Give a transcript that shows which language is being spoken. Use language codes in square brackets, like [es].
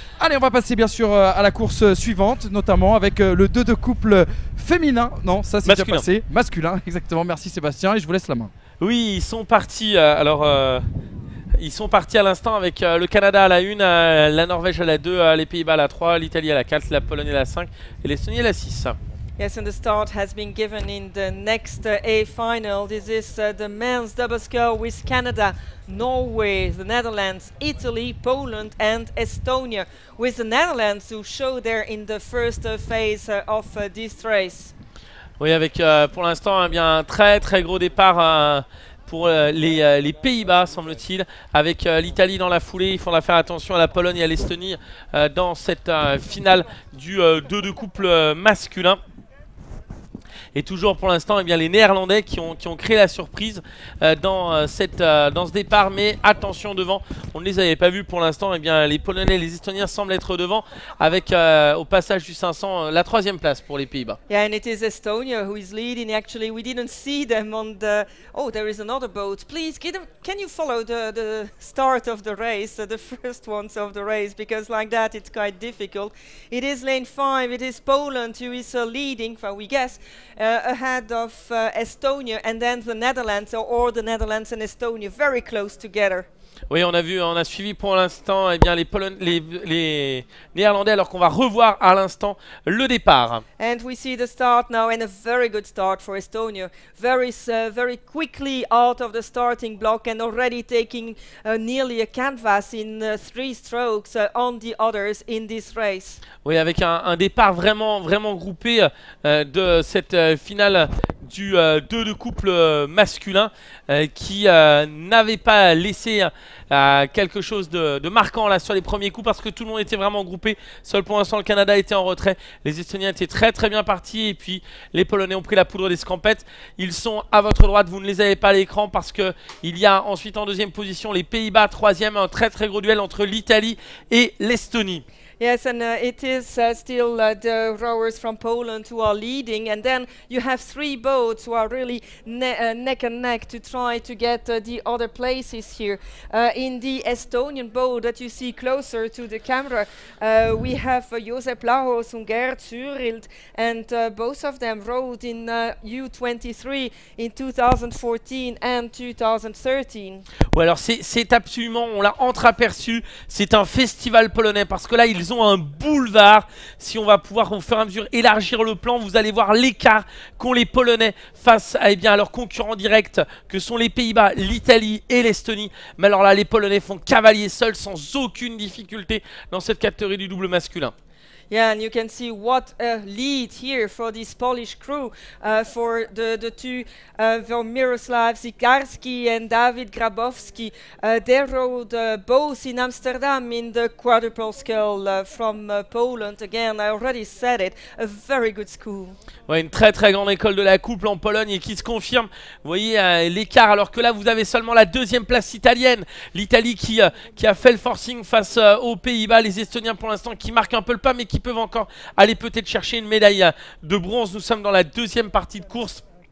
[fr] Allez, on va passer bien sûr à la course suivante, notamment avec le 2 de couple féminin. Non, ça c'est masculin. Déjà passé. Masculin, exactement. Merci Sébastien et je vous laisse la main. Oui, ils sont partis. Alors, ils sont partis à l'instant avec le Canada à la 1, la Norvège à la 2, les Pays-Bas à la 3, l'Italie à la 4, la Pologne à la 5 et l'Estonie à la 6. [en] Yes, and the start has been given in the next A final. This is the men's double score with Canada, Norway, the Netherlands, Italy, Poland and Estonia. With the Netherlands who show there in the first phase of this race. [fr] Oui, avec pour l'instant bien, un très très gros départ pour les Pays-Bas, semble-t-il, avec l'Italie dans la foulée. Il faudra faire attention à la Pologne et à l'Estonie dans cette finale du 2 de couple masculin. Et toujours pour l'instant, eh bien, les Néerlandais qui ont créé la surprise dans ce départ. Mais attention devant, on ne les avait pas vus pour l'instant. Eh bien, les Polonais et les Estoniens semblent être devant avec au passage du 500 la troisième place pour les Pays-Bas. [en] Yeah, and it is Estonia who is leading. Actually, we didn't see them on the... Oh, there is another boat. Please, can you follow the start of the race, the first ones of the race? Because like that, it's quite difficult. It is lane 5, it is Poland who is leading, well, we guess. Ahead of Estonia and then the Netherlands, or the Netherlands and Estonia, very close together. [fr] Oui, on a suivi pour l'instant eh bien, les Néerlandais, alors qu'on va revoir à l'instant le départ. [en] And we see the start now, and a very good start for Estonia. Very, very quickly out of the starting block and already taking nearly a canvas in three strokes on the others in this race. [fr] Oui, avec un départ vraiment, vraiment groupé de cette finale du 2 de couple masculin qui n'avait pas laissé quelque chose de marquant là sur les premiers coups parce que tout le monde était vraiment groupé. Seul pour l'instant le Canada était en retrait, les Estoniens étaient très très bien partis et puis les Polonais ont pris la poudre des scampettes. Ils sont à votre droite, vous ne les avez pas à l'écran parce que il y a ensuite en deuxième position les Pays-Bas, troisième, un très très gros duel entre l'Italie et l'Estonie. [en] Yes, and it is still the rowers from Poland who are leading. And then you have three boats who are really neck and neck to try to get the other places here. In the Estonian boat that you see closer to the camera, we have Josep Lahos, Unger, Zürild, and both of them rowed in U23 in 2014 and 2013. [fr] Ouais, alors c'est absolument, on l'a entreaperçu, c'est un festival polonais parce que là, ils ont un boulevard. Si on va pouvoir au fur et à mesure élargir le plan, vous allez voir l'écart qu'ont les Polonais face à, eh bien, à leurs concurrents directs que sont les Pays-Bas, l'Italie et l'Estonie. Mais alors là, les Polonais font cavalier seul sans aucune difficulté dans cette catégorie du double masculin. [en] Yeah, and you can see what a lead here for this Polish crew for the two from Miroslav Zikarski and David Grabowski. They rode both in Amsterdam in the quadruple scale from Poland. Again, I already said it, a very good school. [fr] Ouais, une très très grande école de la couple en Pologne et qui se confirme. Vous voyez l'écart alors que là vous avez seulement la deuxième place italienne. L'Italie qui a fait le forcing face aux Pays-Bas, les Estoniens pour l'instant qui marquent un peu le pas mais qui peuvent encore aller peut-être chercher une médaille de bronze. Nous sommes dans la deuxième partie de course.